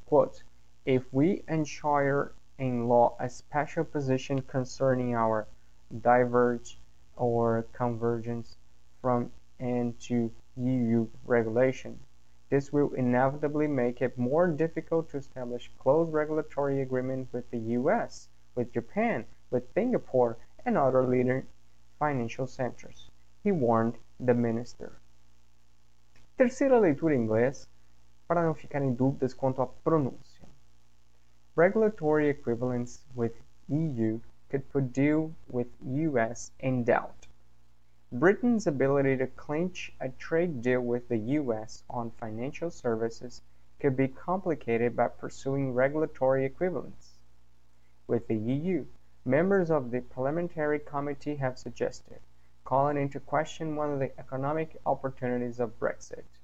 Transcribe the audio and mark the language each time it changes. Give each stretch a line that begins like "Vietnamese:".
English: Quote, if we ensure in law a special position concerning our diverge or convergence from into EU regulation, This will inevitably make it more difficult to establish close regulatory agreements with the US, with Japan, with Singapore, and other leading financial centers, he warned the minister.
Portuguese: Terceira leitura em inglês, para não ficar em dúvidas quanto à pronúncia.
English: Regulatory equivalence with EU could put deal with US in doubt. Britain's ability to clinch a trade deal with the US on financial services could be complicated by pursuing regulatory equivalence with the EU, members of the parliamentary committee have suggested, calling into question one of the economic opportunities of Brexit.